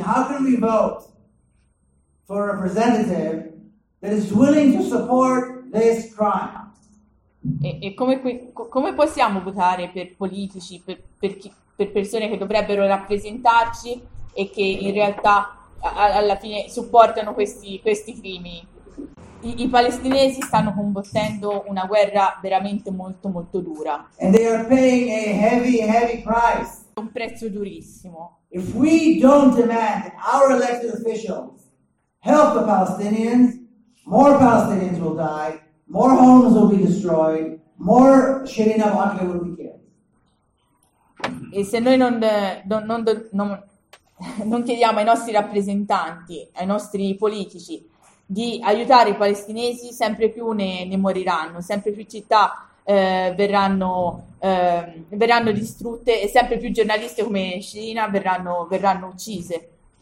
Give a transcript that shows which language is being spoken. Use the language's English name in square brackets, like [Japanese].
[English] How can we vote for a representative that is willing to support this crime? [Italian] E come possiamo votare per politici, per persone che dovrebbero rappresentarci e che in realtà alla fine supportano questi crimini? I palestinesi stanno combattendo una guerra veramente molto molto dura. [English] And they are paying a heavy, heavy price. [Italian] Un prezzo durissimo. [English] If we don't demand that our elected officials help the Palestinians, more Palestinians will die, more homes will be destroyed, more Shirin Abu Akleh will be killed. [Italian] E se noi non chiediamo ai nostri rappresentanti, ai nostri politici, di aiutare i palestinesi, sempre più ne moriranno, sempre più città verranno distrutte e sempre più giornaliste come Shirina verranno uccise.